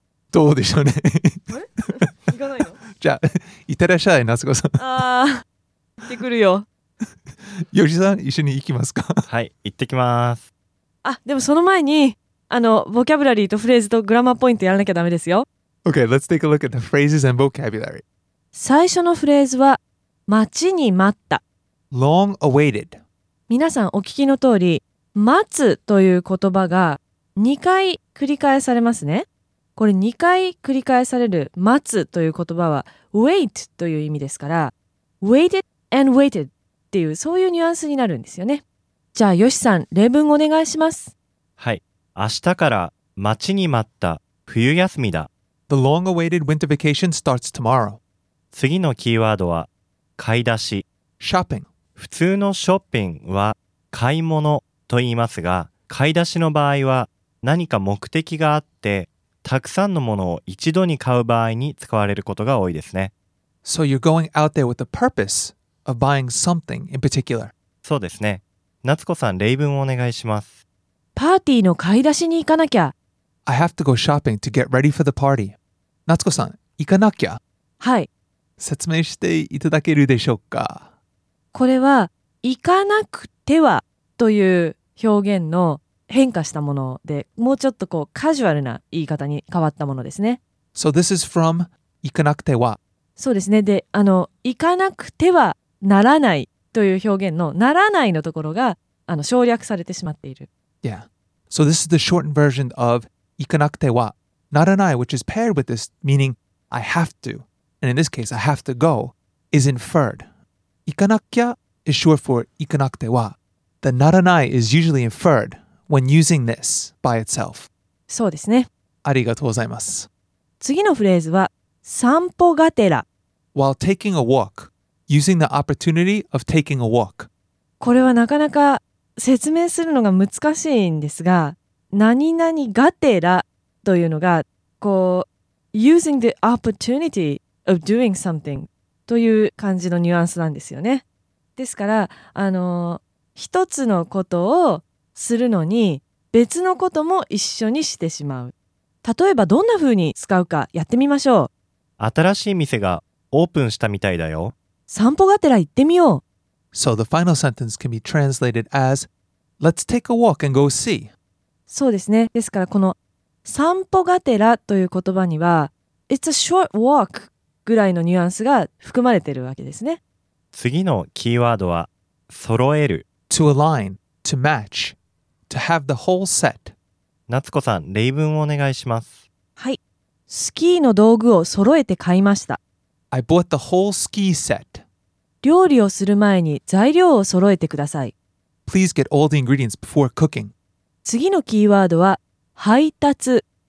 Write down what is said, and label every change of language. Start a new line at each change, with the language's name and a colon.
Japanese: どうでしょうね。行かないの？じゃあ行ってらっしゃい夏子さん。ああ、行ってくるよ。ヨシさん一緒に行きますか。はい、行ってきます。あ、でもその前にボキャブラリーとフレーズとグラマーポイントやらなきゃダメですよ。
English: OK, let's take a look at the phrases and vocabulary.
Japanese: 最初のフレーズは待ちに待った
English: Long awaited.
Japanese: 皆さんお聞きの通り待つという言葉が2回繰り返されますね。これ2回繰り返される待つという言葉は wait という意味ですから
English: waited and waited
Japanese: っていうそういうニュアンスになるんですよね。じゃあヨシさん例文お願いします。はい、明日から待ちに待った冬休みだ。
English: The long-awaited winter vacation starts tomorrow.
Japanese: 次のキーワードは買い出し
English: Shopping.
Japanese: 普通のショッピングは買い物と言いますが、買い出しの場合は何か目的があってたくさんのものを一度に買う場合に使われることが多いですね。
English: So you're going out there with the purpose of buying something in particular.
Japanese: そうですね。夏子さん、例文をお願いします。パーティーの買い出しに行かなきゃ。
English: I have to go shopping to get ready for the party.
Japanese: 夏子さん、行かなきゃ。はい。説明していただけるでしょうか。これは、行かなくてはという表現の変化したもので、もうちょっとこうカジュアルな言い方に変わったものですね。
English: So this is from 行かなくては。
Japanese: そうですね。で、行かなくてはならないという表現のならないのところが省略されてしまっている。
English: Yeah. So this is the shortened version of 行かなくては ならない, which is paired with this meaning I have to. And in this case, I have to go is inferred. 行かなきゃ is short for 行かなくては. The ならない is usually inferred when using this by itself.
Japanese: そうですね。ありがとうございます。次のフレーズは散歩がてら。
English: While taking a walk, using the opportunity of taking a walk.
Japanese: これはなかなか説明するのが難しいんですが、何々がてらというのが、こう、
English: using the opportunity of doing something
Japanese: という感じのニュアンスなんですよね。ですから、一つのことをするのに、別のことも一緒にしてしまう。例えばどんな風に使うかやってみましょう。新しい店がオープンしたみたいだよ。散歩がてら行ってみよう。
English: So the final sentence can be translated as, let's take a walk and go see.
Japanese: そうですね。ですからこの散歩がてらという言葉には、
English: it's a short walk
Japanese: ぐらいのニュアンスが含まれているわけですね。次のキーワードは、揃える。
English: To align, to match, to have the whole set.
Japanese: 夏子さん、例文をお願いします。はい。スキーの道具を揃えて買いました。
English: I bought the whole ski set.
Japanese: 料理をする前に材料を揃えてください。
English: Please get all the ingredients before cooking.
Japanese: 次のキーワードは配達。